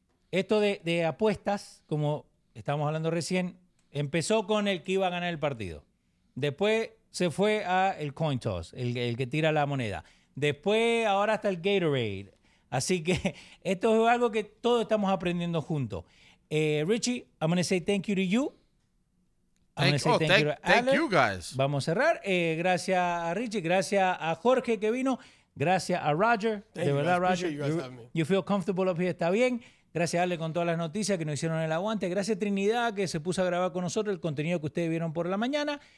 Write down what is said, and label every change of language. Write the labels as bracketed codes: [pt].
[es] Esto de apuestas, como estábamos hablando recién, empezó con el que iba a ganar el partido. Después se fue a el coin toss, el que tira la moneda. Después, ahora está el Gatorade. Así que esto es algo que todos estamos aprendiendo juntos. [en] Richie, I'm going to say thank you to you. Thank you, guys. [es] Vamos a cerrar. Gracias a Richie, gracias a Jorge que vino, gracias a Roger. [en] Thank you, Roger. You feel comfortable up here, [es] está bien. Gracias a Ale con todas las noticias que nos hicieron el aguante. Gracias a Trinidad que se puso a grabar con nosotros el contenido que ustedes vieron por la mañana.